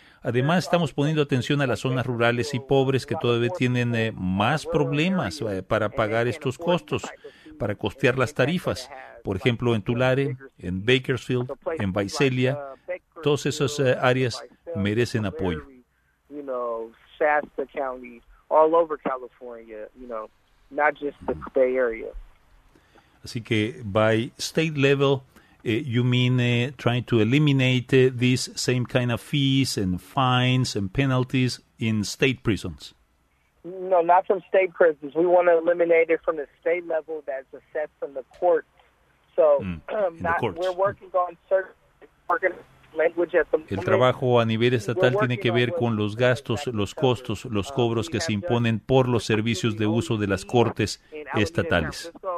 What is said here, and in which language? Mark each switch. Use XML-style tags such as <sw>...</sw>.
<es>Además, estamos poniendo atención a las zonas rurales y pobres que todavía tienen más problemas para pagar estos costos, para costear las tarifas. Por ejemplo, en Tulare, en Bakersfield, en Visalia, todas esas áreas merecen apoyo.</es> <en>Shasta County, all over California, not just the Bay Area.</en> <es>Así que</es> <en>by state level, you mean trying to eliminate these same kind of fees and fines and penalties in state prisons? No, not from state prisons. We want to eliminate it from the state level that's assessed from the courts. So, we're working on certain language at the moment.</en> <es>El trabajo a nivel estatal tiene que ver con los gastos, los costos, los cobros que se imponen por los servicios de uso de las cortes estatales.</es>